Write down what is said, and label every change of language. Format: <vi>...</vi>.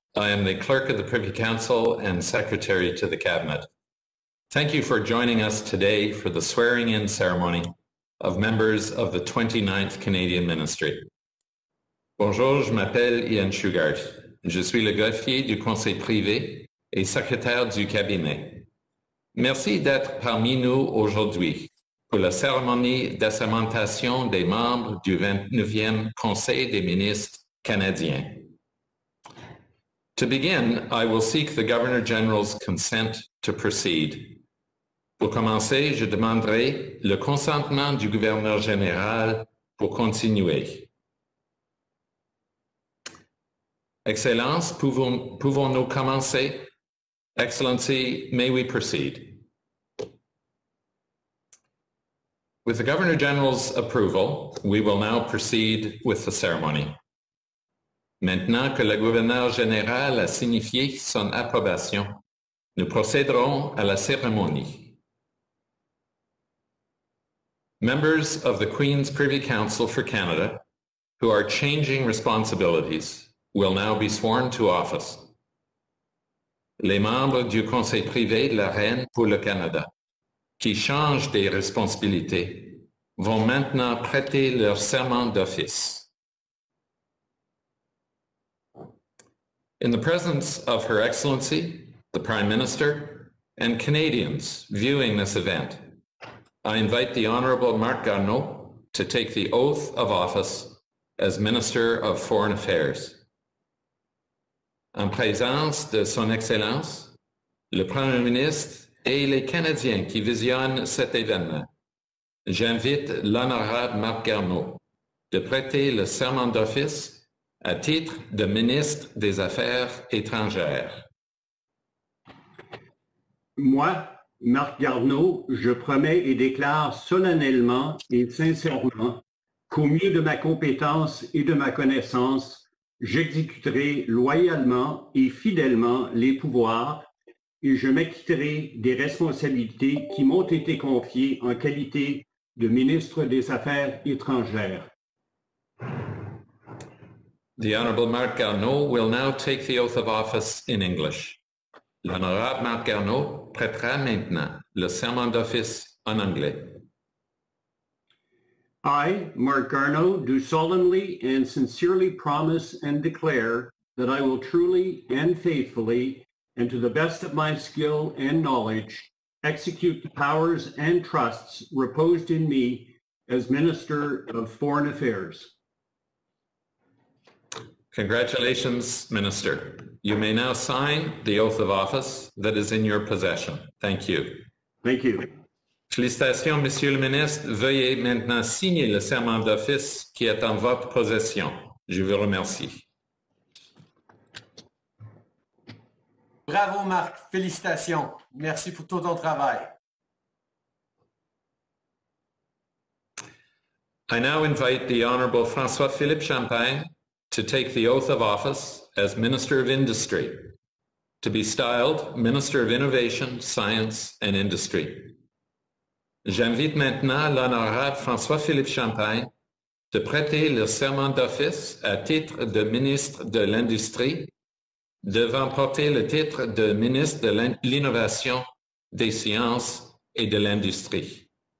<en>I am the Clerk of the Privy Council and Secretary to the Cabinet. Thank you for joining us today for the swearing-in ceremony of members of the 29th Canadian Ministry.</en> <fr>Bonjour, je m'appelle Ian Shugart. Je suis le greffier du Conseil privé et secrétaire du cabinet. Merci d'être parmi nous aujourd'hui pour la cérémonie d'assermentation des membres du 29e Conseil des ministres canadien.</fr> <en>To begin, I will seek the Governor General's consent to proceed.</en> <fr>Pour commencer, je demanderai le consentement du Gouverneur Général pour continuer. Excellence, pouvons-nous commencer?</fr> <en>Excellency, may we proceed? With the Governor General's approval, we will now proceed with the ceremony.</en> <fr>Maintenant que le Gouverneur Général a signifié son approbation, nous procéderons à la cérémonie.</fr> <en>Members of the Queen's Privy Council for Canada, who are changing responsibilities, will now be sworn to office.</en> <fr>Les membres du Conseil privé de la Reine pour le Canada, qui changent des responsabilités, vont maintenant prêter leur serment d'office.</fr> <en>In the presence of Her Excellency, the Prime Minister, and Canadians viewing this event, I invite the Honourable Marc Garneau to take the oath of office as Minister of Foreign Affairs.</en> <fr>En présence de Son Excellence, le Premier ministre et les Canadiens qui visionnent cet événement, j'invite l'honorable Marc Garneau de prêter le serment d'office à titre de ministre des Affaires étrangères. Moi, Marc Garneau, je promets et déclare solennellement et sincèrement qu'au mieux de ma compétence et de ma connaissance, j'exécuterai loyalement et fidèlement les pouvoirs et je m'acquitterai des responsabilités qui m'ont été confiées en qualité de ministre des Affaires étrangères.</fr> <en>The Honorable Marc Garneau will now take the oath of office in English.</en> <fr>L'honorable Marc Garneau prêtera maintenant le serment d'office en anglais.</fr> <en>I, Marc Garneau, do solemnly and sincerely promise and declare that I will truly and faithfully, and to the best of my skill and knowledge, execute the powers and trusts reposed in me as Minister of Foreign Affairs. Congratulations, Minister. You may now sign the oath of office that is in your possession. Thank you. Thank you.</en> <fr>Félicitations, Monsieur le Ministre. Veuillez maintenant signer le serment d'office qui est en votre possession. Je vous remercie. Bravo, Marc. Félicitations. Merci pour tout ton travail.</fr> <en>I now invite the Honorable François-Philippe Champagne to take the oath of office as Minister of Industry, to be styled Minister of Innovation, Science and Industry.</en> <fr>J'invite maintenant l'honorable François-Philippe Champagne de prêter le serment d'office à titre de ministre de l'Industrie, devant porter le titre de ministre de l'Innovation, des Sciences et de l'Industrie.</fr>